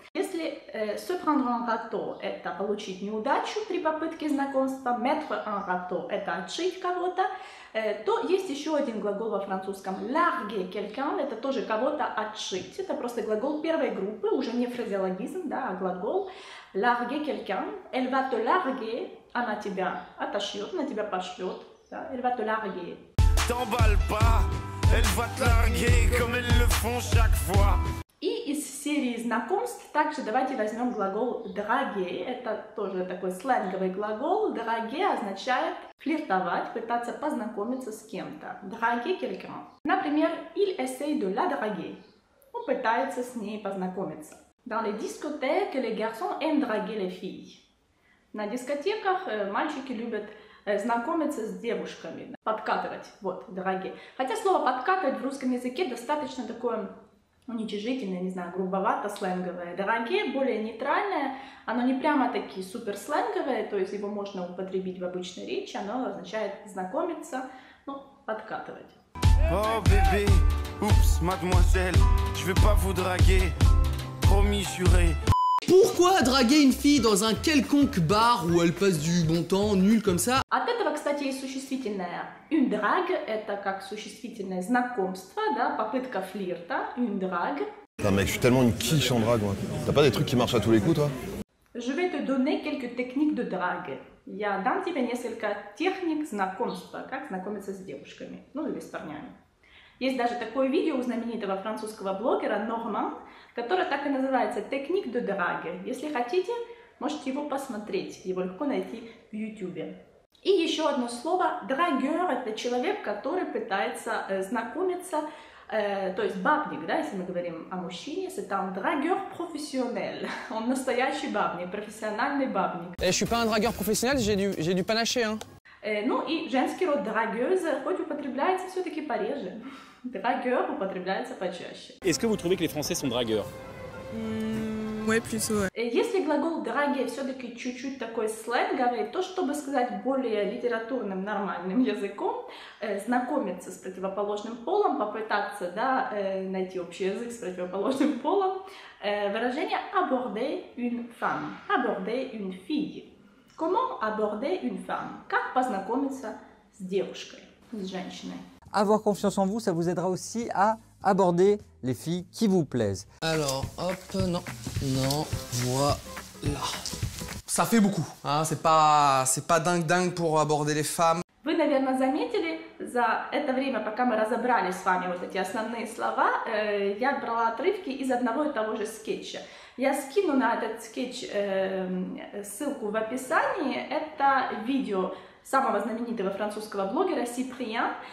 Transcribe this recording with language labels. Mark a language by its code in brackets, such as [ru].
[ru] Если [fr] «se prendre un râteau» [ru] — это получить неудачу при попытке знакомства, [fr] «mettre un râteau» [ru] — это отшить кого-то, то есть еще один глагол во французском [fr] «larguer quelqu'un» [ru] — это тоже кого-то отшить. Это просто глагол первой группы, уже не фразеологизм, да, а глагол [fr] «larguer quelqu'un». «Elle va te larguer» [ru] — она тебя отошьет, она тебя пошлет. Да? [fr] «Elle va te larguer». T'emballe pas, elle va te larguer comme elles le font chaque fois. [ru] И из серии знакомств также давайте возьмем глагол draguer. Это тоже такой сленговый глагол. Draguer означает Флиртовать пытаться познакомиться с кем-то. Драги quelqu'un. Например, [fr] il essaye de la draguer. [ru] Он пытается с ней познакомиться. [fr] Dans les discothèques, les garçons aiment draguer les filles. [ru] На дискотеках мальчики любят знакомиться с девушками. Подкатывать. Вот, драги. Хотя слово подкатывать в русском языке достаточно такое уничижительное, не знаю, грубовато сленговое. Драги более нейтральное, оно не прямо-таки супер сленговое, то есть его можно употребить в обычной речи, оно означает знакомиться, ну, подкатывать. [fr] О, bébé, oups, mademoiselle, je vais pas vous draguer, promis juré. Pourquoi draguer une fille dans un quelconque bar où elle passe du bon temps, nul comme ça? [ru] От этого, кстати, есть существительное. [fr] Une drague, [ru] это как существительное знакомство, да, попытка флирта. [fr] Une drague. Non mec, je suis tellement une quiche en drague, moi. T'as pas des trucs qui marchent à tous les coups, toi? Je vais te donner quelques techniques de drague. [ru] Я дам тебе несколько техник знакомства, как знакомиться с девушками, ну или с парнями. Есть даже такое видео у знаменитого французского блогера Норман, которое так и называется «Техник де драге». Если хотите, можете его посмотреть, его легко найти в YouTube. И еще одно слово «драгер» — это человек, который пытается знакомиться, то есть бабник, да, если мы говорим о мужчине, [fr] c'est un драгер профессионнел. [ru] Он настоящий бабник, профессиональный бабник. Я не [fr] un драгер профессионнел, j'ai du panaché, hein. [ru] Ну и женский род драгеза, хоть употребляется все-таки пореже. Драгер употребляется почаще. [fr] Est-ce que vous trouvez que les Français sont драгеurs? Ouais, plutôt, ouais. [ru] Если глагол драге все-таки чуть-чуть такой сленговый, то чтобы сказать более литературным, нормальным языком, знакомиться с противоположным полом, попытаться, да, найти общий язык с противоположным полом, выражение [fr] aborder une femme, aborder une fille. Comment aborder une femme? [ru] Как познакомиться с девушкой, с женщиной? [fr] Avoir confiance en vous, ça vous aidera aussi à aborder les filles qui vous plaisent. Alors, hop, non, voilà. Ça fait beaucoup, hein, c'est pas dingue pour aborder les femmes. [ru] Вы, наверное, заметили, за это время, пока мы разобрали с вами вот эти основные слова, я брала отрывки из одного и того же скетча. Я скину на этот скетч ссылку в описании. Это видео самого знаменитого французского блогера Сиприан.